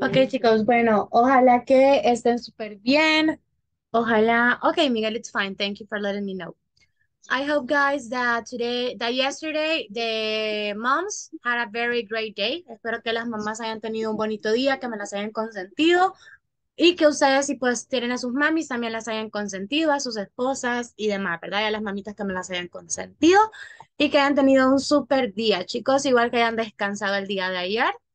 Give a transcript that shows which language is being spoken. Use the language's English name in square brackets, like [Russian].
[Spanish] Ok, chicos, bueno, ojalá que estén súper bien. [English] Ojalá. Ok, Miguel, it's fine. Thank you for letting me know. I hope guys that today, that yesterday, the moms had a very great day. [Spanish] Espero que las mamás hayan tenido un bonito día, que me las hayan consentido y que ustedes, si pues tienen a sus mamis, también las hayan consentido, a sus esposas y demás, ¿verdad? Y a las mamitas que me las hayan consentido y que hayan tenido un súper día, chicos, igual que hayan descansado el día de ayer.